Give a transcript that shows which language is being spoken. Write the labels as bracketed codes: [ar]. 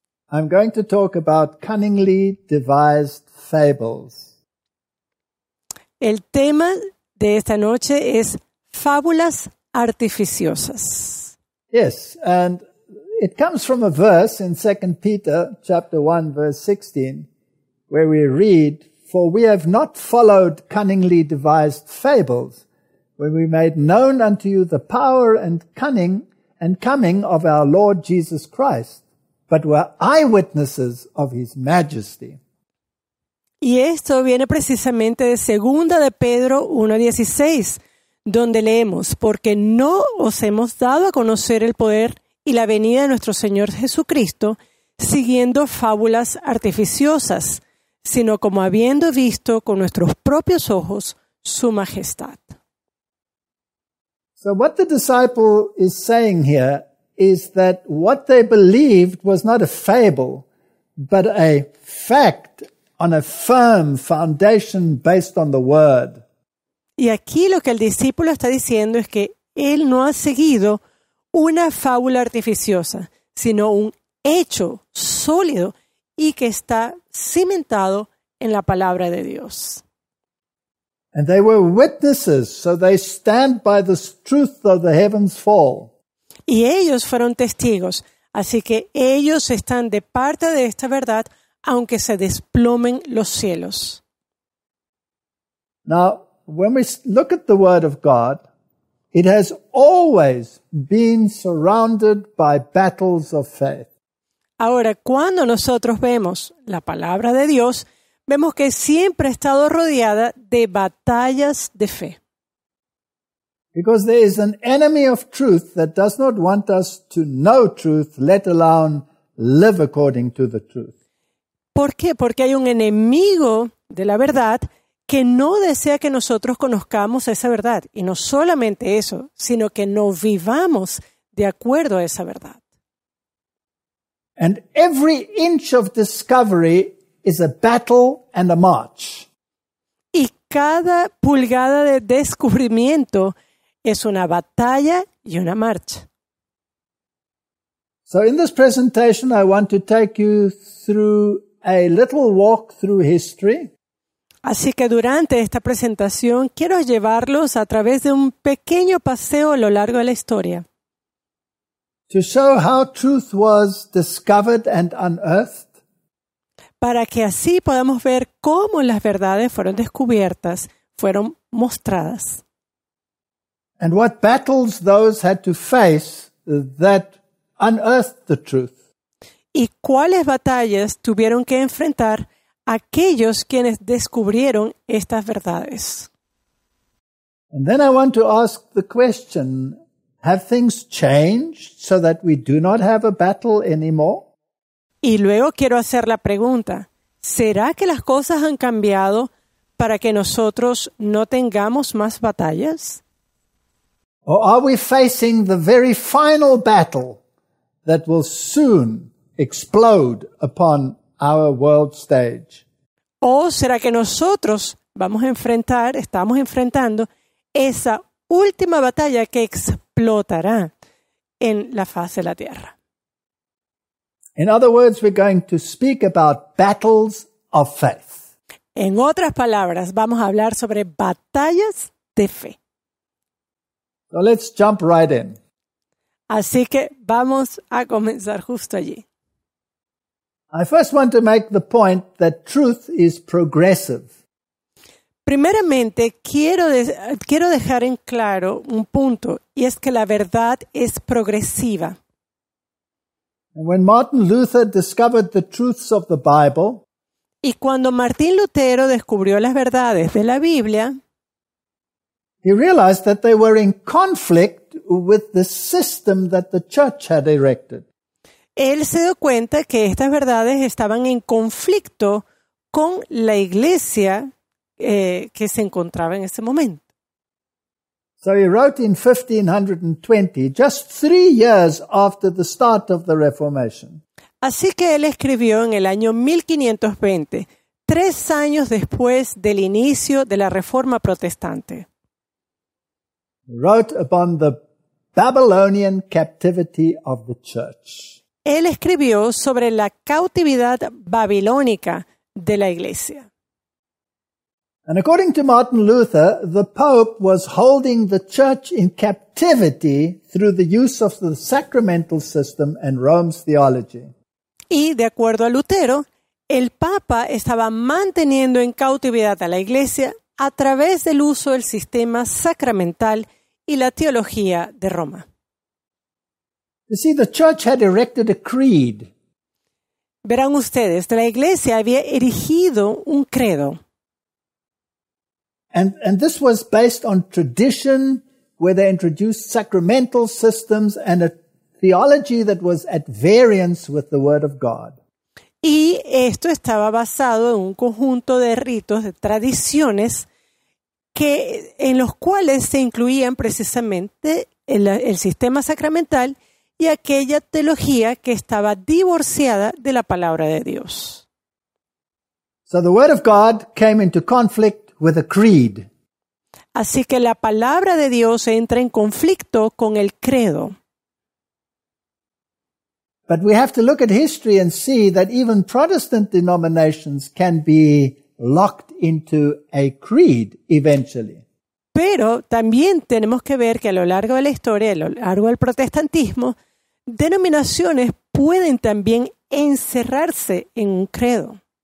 [en] I'm going to talk about cunningly devised fables. [es] El tema de esta noche es fábulas artificiosas. [en] Yes, and it comes from a verse in 2 Peter chapter 1, verse 16, where we read, "For we have not followed cunningly devised fables, when we made known unto you the power and cunning and coming of our Lord Jesus Christ, but were eyewitnesses of his majesty." [es] Y esto viene precisamente de 2 de Pedro 1:16, donde leemos, "Porque no os hemos dado a conocer el poder y la venida de nuestro Señor Jesucristo siguiendo fábulas artificiosas, sino como habiendo visto con nuestros propios ojos su majestad." [en] So what the disciple is saying here is that what they believed was not a fable, but a fact on a firm foundation based on the word. [es] Y aquí lo que el discípulo está diciendo es que él no ha seguido una fábula artificiosa, sino un hecho sólido y que está cimentado en la palabra de Dios. [en] And they were witnesses, so they stand by the truth of the heavens fall. [es] Y ellos fueron testigos, así que ellos están de parte de esta verdad, aunque se desplomen los cielos. [en] Now, when we look at the Word of God, it has always been surrounded by battles of faith. [es] Ahora, cuando nosotros vemos la palabra de Dios, vemos que siempre ha estado rodeada de batallas de fe. [en] Because there is an enemy of truth that does not want us to know truth, let alone live according to the truth. [es] ¿Por qué? Porque hay un enemigo de la verdad que no desea que nosotros conozcamos esa verdad. Y no solamente eso, sino que no vivamos de acuerdo a esa verdad. [en] And every inch of discovery is a battle and a march. [es] Y cada pulgada de descubrimiento es una batalla y una marcha. [en] So in this presentation, I want to take you through a little walk through history. [es] Así que durante esta presentación, quiero llevarlos a través de un pequeño paseo a lo largo de la historia. [en] To show how truth was discovered and unearthed. [es] Para que así podamos ver cómo las verdades fueron descubiertas, fueron mostradas. [en] And what battles those had to face that unearthed the truth. [es] ¿Y cuáles batallas tuvieron que enfrentar aquellos quienes descubrieron estas verdades? [en] And then I want to ask the question, have things changed so that we do not have a battle anymore? [es] Y luego quiero hacer la pregunta, ¿será que las cosas han cambiado para que nosotros no tengamos más batallas? [en] Or are we facing the very final battle that will soon explode upon our world stage? [es] ¿O será que nosotros vamos a enfrentar, estamos enfrentando esa última batalla que explotará en la faz de la tierra? [en] In other words, we're going to speak about battles of faith. [es] En otras palabras, vamos a hablar sobre batallas de fe. [en] So let's jump right in. [es] Así que vamos a comenzar justo allí. [en] I first want to make the point that truth is progressive. [es] Primeramente, quiero dejar en claro un punto, y es que la verdad es progresiva. [en] When Martin Luther discovered the truths of the Bible, [es] y cuando Martín Lutero descubrió las verdades de la Biblia, [en] he realized that they were in conflict with the system that the church had erected. [es] Él se dio cuenta que estas verdades estaban en conflicto con la iglesia que se encontraba en ese momento. [en] So he wrote in 1520, just 3 years after the start of the Reformation. [es] Así que él escribió en el año 1520, 3 años después del inicio de la Reforma Protestante. [en] He wrote upon the Babylonian captivity of the church. [es] Él escribió sobre la cautividad babilónica de la iglesia. [en] And according to Martin Luther, the Pope was holding the church in captivity through the use of the sacramental system and Rome's theology. [es] Y de acuerdo a Lutero, el Papa estaba manteniendo en cautividad a la iglesia a través del uso del sistema sacramental y la teología de Roma. [en] You see, the church had erected a creed. [es] Verán ustedes, la iglesia había erigido un credo. [en] And this was based on tradition, where they introduced sacramental systems and a theology that was at variance with the Word of God. [es] Y esto estaba basado en un conjunto de ritos, de tradiciones, que en los cuales se incluían precisamente el sistema sacramental y aquella teología que estaba divorciada de la palabra de Dios. [en] So the Word of God came into conflict with a creed. [es] Así que la palabra de Dios entra en conflicto con el credo. [en] But we have to look at history and see that even Protestant denominations can be locked into a creed eventually. [es] Pero también tenemos que ver que a lo largo de la historia, a lo largo del protestantismo, denominaciones pueden también encerrarse en un credo.